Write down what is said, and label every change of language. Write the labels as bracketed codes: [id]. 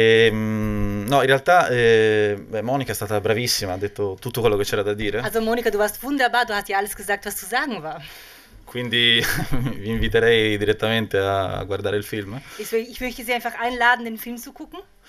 [it] No, in realtà beh, Monica è stata bravissima, ha detto tutto quello che c'era da [de] Also [it] dire. [de] Monika, du warst wunderbar, du hast ja alles gesagt, was zu sagen war. [it] Quindi vi inviterei direttamente a guardare il film. [de] Ich möchte Sie einfach einladen, den Film zu gucken.